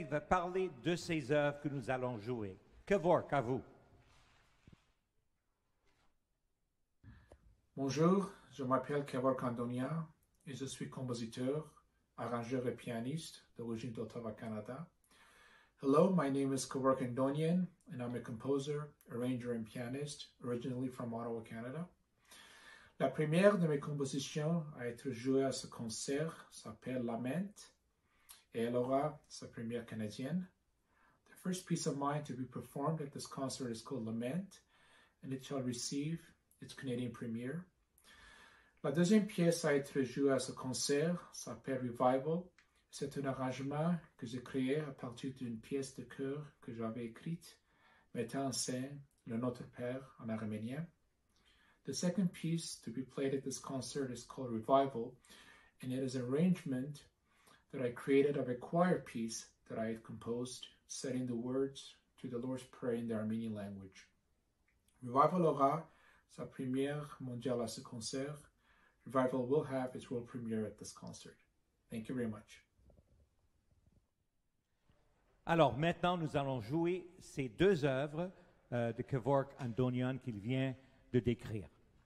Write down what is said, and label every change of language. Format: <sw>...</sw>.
<fr>Il va parler de ses œuvres que nous allons jouer. Kevork, à vous. Bonjour, je m'appelle Kevork Andonian et je suis compositeur, arrangeur et pianiste d'origine d'Ottawa, Canada.</fr> <en>Hello, my name is Kevork Andonian, and I'm a composer, arranger, and pianist, originally from Ottawa, Canada.</en> <fr>La première de mes compositions a été jouée à ce concert s'appelle Lament, et elle aura sa première canadienne.</fr> <en>The first piece of mine to be performed at this concert is called Lament, and it shall receive its Canadian premiere.</en> <fr>La deuxième pièce a été jouée à ce concert s'appelle Revival. C'est un arrangement que j'ai créé à partir d'une pièce de chœur que j'avais écrite, mettant en scène le Notre Père en arménien.</fr> <en>The second piece to be played at this concert is called Revival, and it is an arrangement that I created of a choir piece that I had composed, setting the words to the Lord's Prayer in the Armenian language.</en> <fr>Revival aura sa première mondiale à ce concert.</fr> <en>Revival will have its world premiere at this concert. Thank you very much.</en> <fr>Alors maintenant, nous allons jouer ces deux œuvres de Kevork Andonian qu'il vient de décrire.</fr>